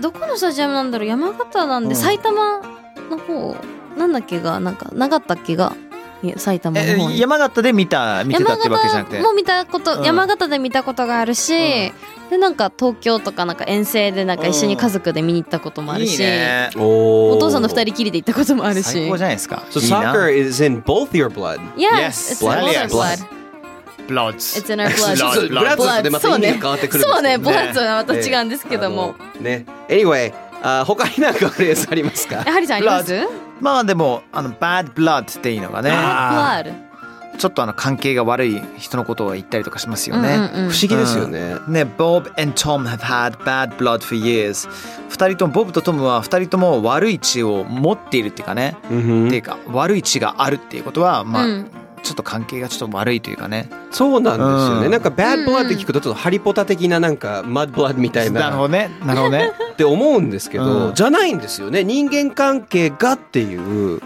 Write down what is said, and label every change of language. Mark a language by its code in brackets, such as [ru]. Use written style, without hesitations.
[ja] どこのスタジアムなんだろう。山形なんで、うん、埼玉の方なんだっけが、なんかなかったっけが、埼玉の方に。山形で見てたってわけじゃなくて、もう見たこと、うん、山形で見たことがあるし、うん、でなんか東京とか、なんか遠征でなんか一緒に家族で見に行ったこともあるし、うん、いいね、お父さんの二人きりで行ったこともあるし。最高じゃないですか。 [en] So soccer is in both your blood. Yes, it's in both your blood. Bloods. It's in our blood. Bloods. Bloods. [ja] でまた意味が変わってくるんですけど、ね、そうね、 Bloods はまた違うんですけども、ね、 [en] Anyway、 [ja] 他になんかフレーズありますか。ハリさんあります。まあでもBad blood っていうのがね、 [en] Bad blood [ja] ちょっと関係が悪い人のことを言ったりとかしますよね、うんうんうん、不思議ですよね、うん、ね、 [en] Bob and Tom have had bad blood for years。 [ja] 二人とも、ボブとトムは二人とも悪い血を持っているっていうかね、うん、っていうか悪い血があるっていうことは、まあ、うん、ちょっと関係がちょっと悪いというかね。そうなんですよね、うん、なんか bad blood って聞くとちょっとハリポタ的な、なんか mad blood みたいな、なるほどね、なるほどねって思うんですけど、うん、じゃないんですよね、人間関係がっていう。